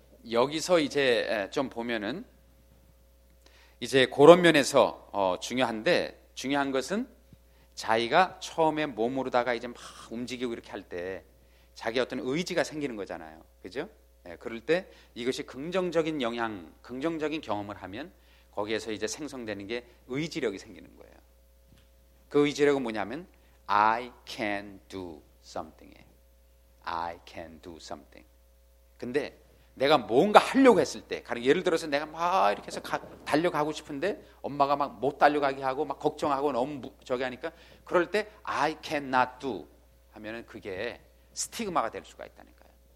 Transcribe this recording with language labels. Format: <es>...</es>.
<ko>여기서 이제 좀 보면은 이제 그런 면에서 중요한데 중요한 것은 자기가 처음에 몸으로다가 이제 막 움직이고 이렇게 할 때 자기 어떤 의지가 생기는 거잖아요. 그죠? 예, 그럴 때 이것이 긍정적인 영향, 긍정적인 경험을 하면 거기에서 이제 생성되는 게 의지력이 생기는 거예요. 그 의지력은 뭐냐면</ko> <en>I can do something. I can do something.</en> <ko>근데 내가 뭔가 하려고 했을 때, 가령 예를 들어서 내가 막 이렇게 해서 달려가고 싶은데 엄마가 막 못 달려가게 하고 막 걱정하고 너무 저기 하니까, 그럴 때</ko> <en>I cannot do</en> <ko>하면은 그게 스티그마가 될 수가 있다니까요.</ko>